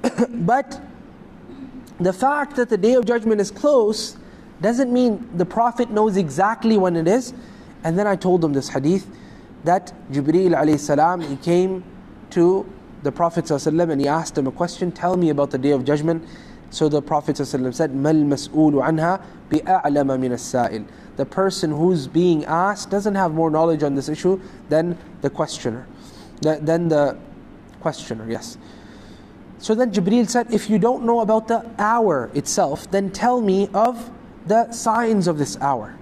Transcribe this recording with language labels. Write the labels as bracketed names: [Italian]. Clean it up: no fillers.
[English] But the fact that the Day of Judgment is close doesn't mean the Prophet knows exactly when it is. And then I told him this hadith, that Jibreel alayhi salam, he came to the Prophet ﷺ and he asked him a question, tell me about the Day of Judgment. So the Prophet ﷺ said, [Arabic] مَا الْمَسْؤُولُ عَنْهَا بِأَعْلَمَ مِنَ السَّائِلِ. [English] The person who's being asked doesn't have more knowledge on this issue than the questioner. Than the questioner, yes. So then Jibreel said, if you don't know about the hour itself, then tell me of the signs of this hour.